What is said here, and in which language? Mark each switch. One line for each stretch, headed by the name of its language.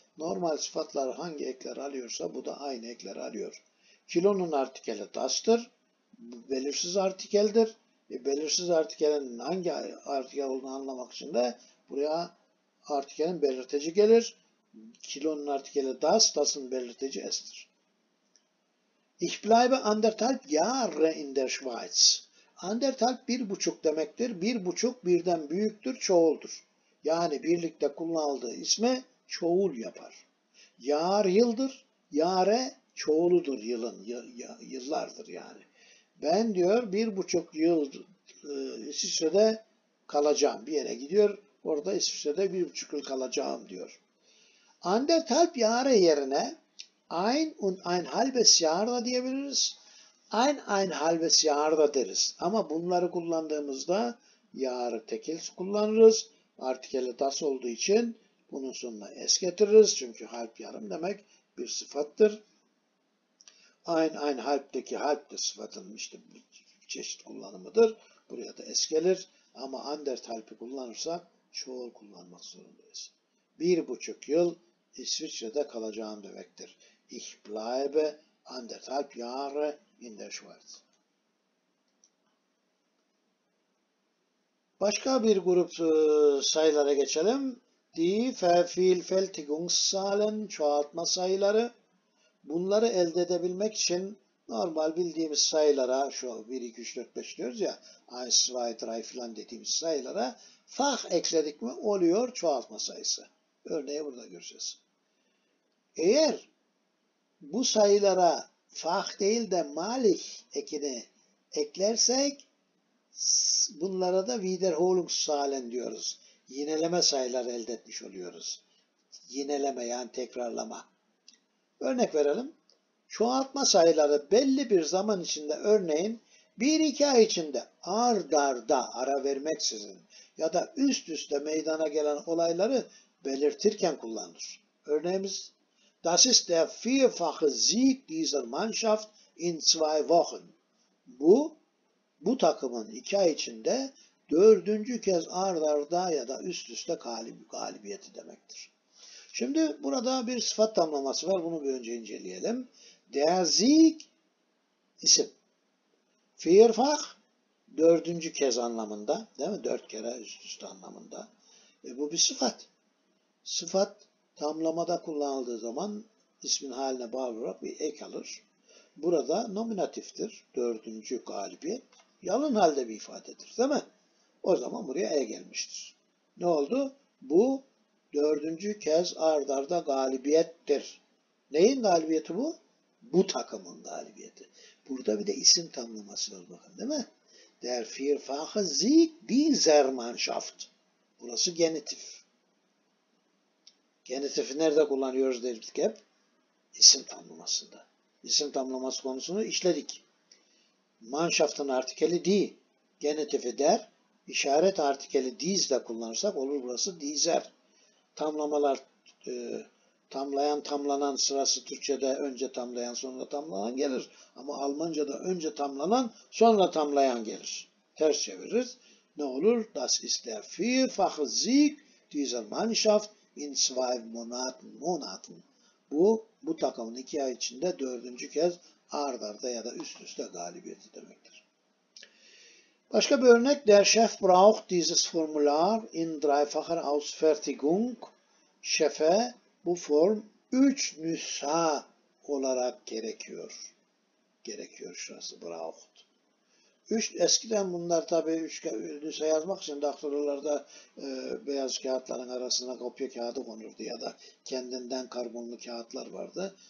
Turkish: Normal sıfatlar hangi ekleri alıyorsa bu da aynı ekleri alıyor. Kilonun artikeli das'tır. Bu belirsiz artikeldir. Belirsiz artikelin hangi artikel olduğunu anlamak için de buraya artikelin belirteci gelir. Kilonun artikeli das, das'ın belirteci es'tir.
German: Ich bleibe anderthalb Jahre in der Schweiz.
Turkish: Anderthalb 1,5 demektir. 1,5 birden büyüktür, çoğuldur. Yani birlikte kullanıldığı ismi çoğul yapar. Jahr yıldır, Jahre çoğuludur yılın, yıllardır yani. Ben diyor 1,5 yıl İsviçre'de kalacağım. Bir yere gidiyor, orada İsviçre'de 1,5 yıl kalacağım diyor.
German: Anderthalb Jahre
Turkish: yerine
German: ein und ein halbes Jahr
Turkish: da diyebiliriz.
German: Ein halbes Jahr
Turkish: da deriz. Ama bunları kullandığımızda Jahr'ı tekil kullanırız. Artikeli das olduğu için bunun sonuna es getiririz. Çünkü halb yarım demek bir sıfattır. Ein halbdeki halb de sıfatının işte bir çeşit kullanımıdır. Buraya da es gelir. Ama anderthalb'ı kullanırsak çoğul kullanmak zorundayız. 1,5 yıl İsviçre'de kalacağım demektir. Ich bleibe anderthalb Jahre in der Schweiz. Başka bir grup sayılara geçelim. Die Vervielfältigungszahlen, çoğaltma sayıları. Bunları elde edebilmek için normal bildiğimiz sayılara, şu 1, 2, 3, 4, 5 diyoruz ya, 1, 2, 3, 4 filan dediğimiz sayılara fach ekledik mi oluyor çoğaltma sayısı. Örneği burada göreceğiz. Eğer bu sayılara fach değil de malich ekini eklersek bunlara da Wiederholungszahlen diyoruz. Yineleme sayıları elde etmiş oluyoruz. Yineleme yani tekrarlama. Örnek verelim. Çoğaltma sayıları belli bir zaman içinde örneğin 1-2 ay içinde ard arda ara vermeksizin ya da üst üste meydana gelen olayları belirtirken kullanılır. Örneğimiz
German: Das ist der vierfache Sieg dieser Mannschaft in zwei Wochen.
Turkish: Bu takımın 2 ay içinde 4. kez ard arda ya da üst üste galibiyeti demektir. Şimdi burada bir sıfat tamlaması var. Bunu bir önce inceleyelim. Der Sieg isim. Vierfach 4. kez anlamında, değil mi? 4 kere üst üste anlamında. Bu bir sıfat. Sıfat tamlamada kullanıldığı zaman ismin haline bağlı olarak bir ek alır. Burada nominatiftir. 4. galibiyet. Yalın halde bir ifadedir, değil mi? O zaman buraya e gelmiştir. Ne oldu? Bu 4. kez ard arda galibiyettir. Neyin galibiyeti bu? Bu takımın galibiyeti. Burada bir de isim tamlaması var bakın, değil mi?
German: Der vierfache Sieg dieser Mannschaft.
Turkish: Burası genitif. Genitifi nerede kullanıyoruz dedik hep? İsim tamlamasında. İsim tamlaması konusunu işledik. Mannschaft'ın artikeli die. Genitifi der. İşaret artikeli dies de kullanırsak olur burası dieser. Tamlamalar tamlayan tamlanan sırası Türkçe'de önce tamlayan sonra tamlanan gelir. Ama Almanca'da önce tamlanan sonra tamlayan gelir. Ters çeviririz. Ne olur?
German: Das ist der vierfache Sieg dieser Mannschaft in zwei Monaten.
Turkish: Bu takımın 2 ay içinde 4. kez ard arda ya da üst üste galibiyeti demektir. Başka bir örnek.
German: Der Chef braucht dieses Formular in dreifacher Ausfertigung.
Turkish: Şefe bu form 3 nüsha olarak gerekiyor. Gerekiyor şurası braucht. Eskiden bunlar tabi 3 nüsha yazmak için daktilolarda beyaz kağıtların arasına kopya kağıdı konurdu ya da kendinden karbonlu kağıtlar vardı.